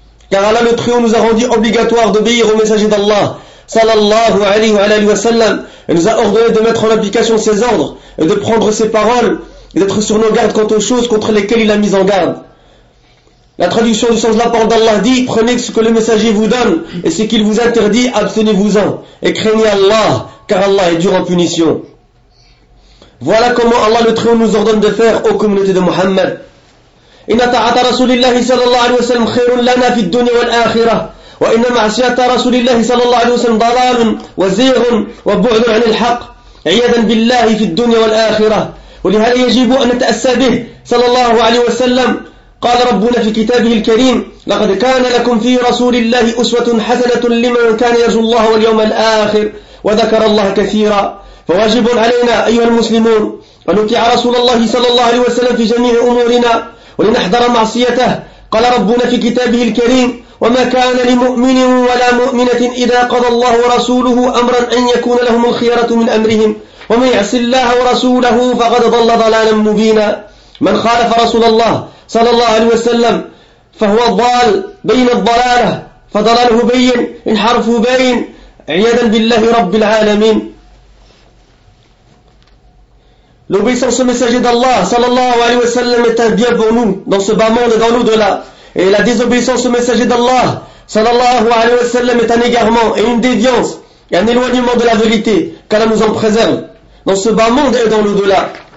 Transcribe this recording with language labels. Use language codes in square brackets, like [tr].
[fr] Car Allah le Très-Haut nous a rendu obligatoire d'obéir au messager d'Allah, sallallahu alayhi wa sallam, et nous a ordonné de mettre en application ses ordres, et de prendre ses paroles, et d'être sur nos gardes quant aux choses contre lesquelles il a mis en garde. La traduction du sens de la parole d'Allah dit, prenez ce que le messager vous donne, et ce qu'il vous interdit, abstenez-vous-en, et craignez Allah, car Allah est dur en punition. Voilà comment Allah le Très-Haut nous ordonne de faire aux communautés de Muhammad. [ar] إن طاعة رسول الله صلى الله عليه وسلم خير لنا في الدنيا والآخرة، وإن معصية رسول الله صلى الله عليه وسلم ضلال وزيغ وبعد عن الحق عياذا بالله في الدنيا والآخرة. ولهذا يجب أن نتأسى به صلى الله عليه وسلم. قال ربنا في كتابه الكريم لقد كان لكم في رسول الله أسوة حسنة لمن كان يرجو الله واليوم الآخر وذكر الله كثيرا. فواجب علينا أيها المسلمون أن نطيع رسول الله صلى الله عليه وسلم في جميع أمورنا ولنحذر معصيته. قال ربنا في كتابه الكريم وما كان لمؤمن ولا مؤمنة إذا قضى الله ورسوله أمرا أن يكون لهم الخيرة من أمرهم ومن يعص الله ورسوله فقد ضل ضلالا مبينا. من خالف رسول الله صلى الله عليه وسلم فهو ضال بين الضلالة فضلاله بين انحرفه بين عياذا بالله رب العالمين. [fr] L'obéissance au messager d'Allah, sallallahu alayhi wa sallam, est un bien pour nous, dans ce bas monde et dans l'au-delà. Et la désobéissance au messager d'Allah, sallallahu alayhi wa sallam, est un égarement et une déviance et un éloignement de la vérité qu'Allah nous en préserve, dans ce bas monde et dans l'au-delà.